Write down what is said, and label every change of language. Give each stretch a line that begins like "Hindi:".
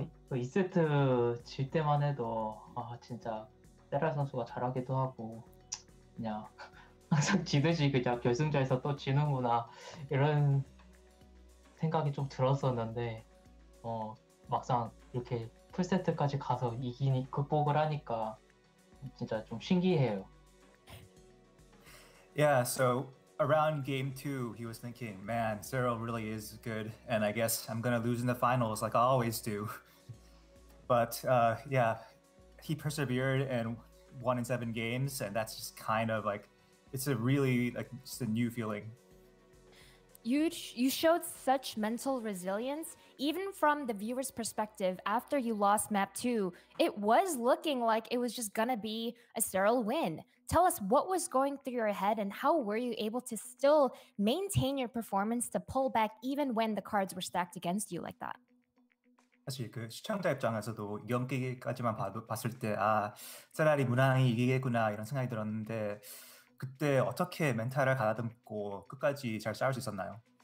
Korean: 2세트 질 때만 해도 진짜 세라 선수가 잘하기도 하고 그냥 항상 지듯이 그냥 결승전에서 또 지는구나 이런 생각이 좀 들었었는데 막상 이렇게 풀세트까지 가서 이기니 극복을 하니까 진짜 좀 신기해요.
English: Yeah, so around game two, he was thinking, man, Cyril really is good, and I guess I'm gonna lose in the finals like I always do. But yeah, he persevered and won in 7 games, and that's just kind of like, it's a really, like, just a new feeling. You showed such mental resilience, even from the viewer's perspective, after you lost map two, it was looking like it was just gonna be a Cyril win. Tell us what was going through your head and how were you able to still maintain your performance to pull back even when the cards were stacked against you like that?
Korean: 사실 그 시청자 입장에서도 연기까지만 봤을 때아 차라리 무난히 이기겠구나 이런 생각이 들었는데 그때 어떻게 멘탈을 가다듬고 끝까지 잘 싸울 수 있었나요?